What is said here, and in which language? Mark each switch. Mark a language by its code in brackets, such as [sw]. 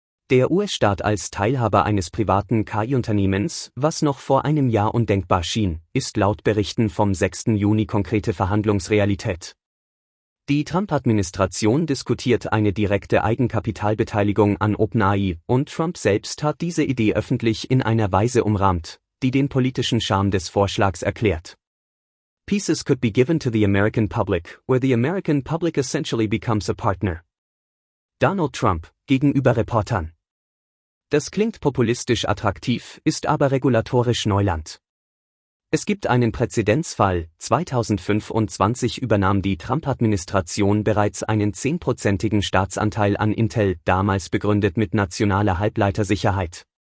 [de] Der US-Staat als Teilhaber eines privaten KI-Unternehmens, was noch vor einem Jahr undenkbar schien, ist laut Berichten vom 6. Juni konkrete Verhandlungsrealität. Die Trump-Administration diskutiert eine direkte Eigenkapitalbeteiligung an OpenAI, und Trump selbst hat diese Idee öffentlich in einer Weise umrahmt, die den politischen Charme des Vorschlags erklärt. [en] Pieces could be given to the American public, where the American public essentially becomes a partner. [de] Donald Trump gegenüber Reportern. Das klingt populistisch attraktiv, ist aber regulatorisch Neuland. Es gibt einen Präzedenzfall. 2025 übernahm die Trump-Administration bereits einen 10%igen Staatsanteil an Intel, damals begründet mit nationaler Halbleitersicherheit.